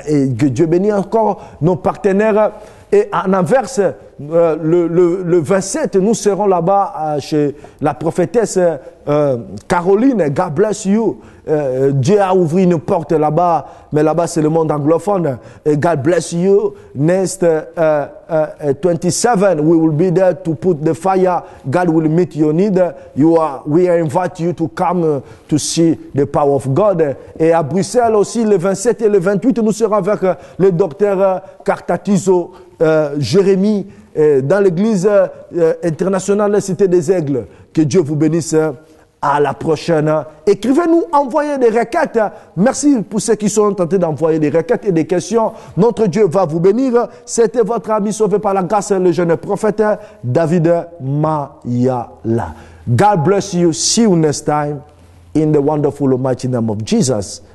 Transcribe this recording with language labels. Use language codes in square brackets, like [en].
[fr] Et que Dieu bénisse encore nos partenaires. Et en inverse, le 27, nous serons là-bas chez la prophétesse Caroline. [en] God bless you. [fr] Dieu a ouvert une porte là-bas, mais là-bas c'est le monde anglophone. [en] Et God bless you. Next 27, we will be there to put the fire. God will meet your need. We invite you to come to see the power of God. [fr] Et à Bruxelles aussi, le 27 et le 28, nous serons avec le docteur Cartatiso. Jérémy, dans l'église internationale de Cité des Aigles. Que Dieu vous bénisse. À la prochaine. Écrivez-nous, envoyez des requêtes. Merci pour ceux qui sont tentés d'envoyer des requêtes et des questions. Notre Dieu va vous bénir. C'était votre ami sauvé par la grâce, le jeune prophète David Mayala. [en] God bless you. See you next time in the wonderful, mighty name of Jesus.